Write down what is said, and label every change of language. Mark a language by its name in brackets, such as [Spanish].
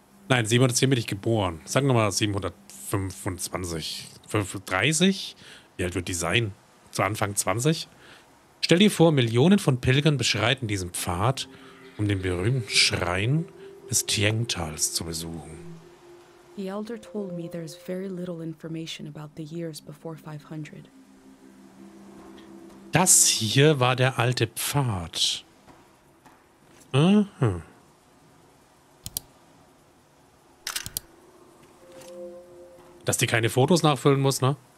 [German] Nein, 710 bin ich geboren. Sagen wir mal 725, 530? Wie alt wird die sein? Zu Anfang 20? Stell dir vor, Millionen von Pilgern beschreiten diesen Pfad, um den berühmten Schrein des Tiangtals zu besuchen. [English] The elder told me there is very little information about the years before 500. [German] Das hier war der alte Pfad. Aha. Dass die keine Fotos nachfüllen muss, ne?